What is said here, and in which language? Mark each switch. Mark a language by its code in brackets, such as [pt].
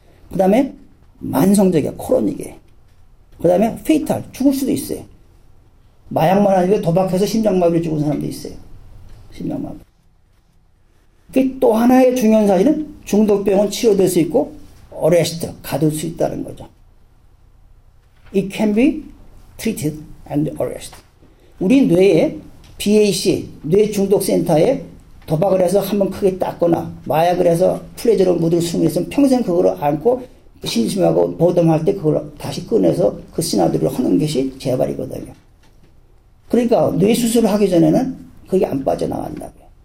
[ko] 그 다음에, 만성적이야, 코로닉에. 그 다음에, 페이탈, 죽을 수도 있어요. 마약만 아니고 도박해서 심장마비를 죽은 사람도 있어요. 심장마비. 그 또 하나의 중요한 사실은 중독병은 치료될 수 있고, 어레스트, 가둘 수 있다는 거죠. [en] It can be treated and arrested. [ko] 우리 뇌에 BAC, 뇌중독센터에 도박을 해서 한번 크게 땄거나, 마약을 해서 플레저를 무드로 수용했으면 평생 그걸 안고, 심심하고 보듬할 때 그걸 다시 꺼내서 그 시나리오를 하는 것이 재발이거든요. 그러니까 뇌수술을 하기 전에는 그게 안 빠져나간다고요.